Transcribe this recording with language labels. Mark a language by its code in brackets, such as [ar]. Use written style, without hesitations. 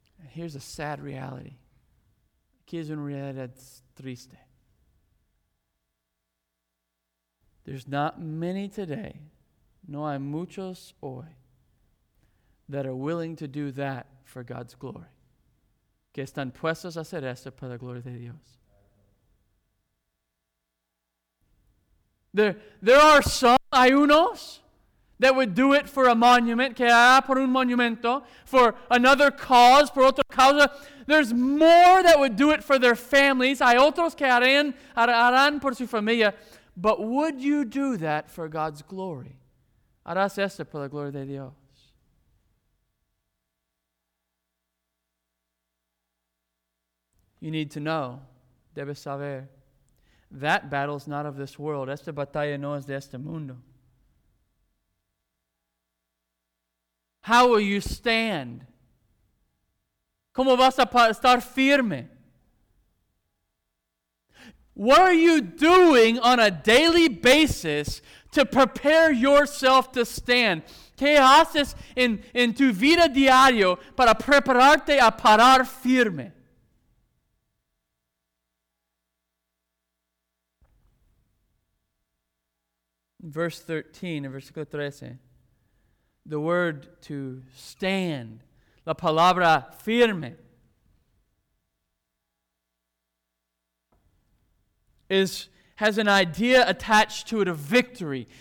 [en] Here's a sad reality. [es] Aquí es una realidad triste. [en] There's not many today, [es] no hay muchos hoy, [en] that are willing to do that for God's glory. [es] Que están puestos a hacer esto para la gloria de Dios. [en] There are some, [es] hay unos, [en] that would do it for a monument, [es] que hará por un monumento, [en] for another cause, [es] por otra causa. [en] There's more that would do it for their families. [es] Hay otros que harán por su familia. [en] But would you do that for God's glory? [es] Harás esto por la gloria de Dios. [en] You need to know, [es] debes saber, [en] that battle's not of this world. [es] Esta batalla no es de este mundo. [en] How will you stand? [es] ¿Cómo vas a estar firme? [en] What are you doing on a daily basis to prepare yourself to stand? [es] ¿Qué haces en tu vida diario para prepararte a parar firme? [en] Verse 13, [es] versículo 13, [en] the word to stand, [es] la palabra firme, [en] has an idea attached to it of victory.